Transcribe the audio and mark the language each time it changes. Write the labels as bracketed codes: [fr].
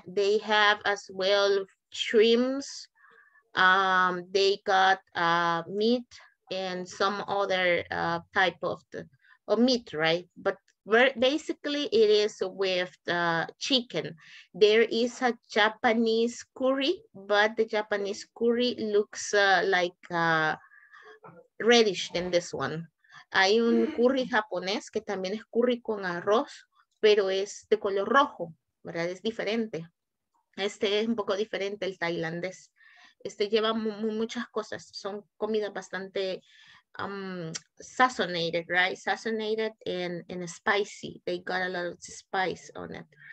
[en] They have as well shrimps. They got meat and some other type of meat, right? But basically, it is with the chicken. There is a Japanese curry, but the Japanese curry looks like reddish than this one. [es] Hay un curry japonés que también es curry con arroz, pero es de color rojo, ¿verdad? Es diferente. Este es un poco diferente, el tailandés. Este lleva muchas cosas, son comidas bastante sazonated, right? [en] Sazonated and spicy. They got a lot of spice on it.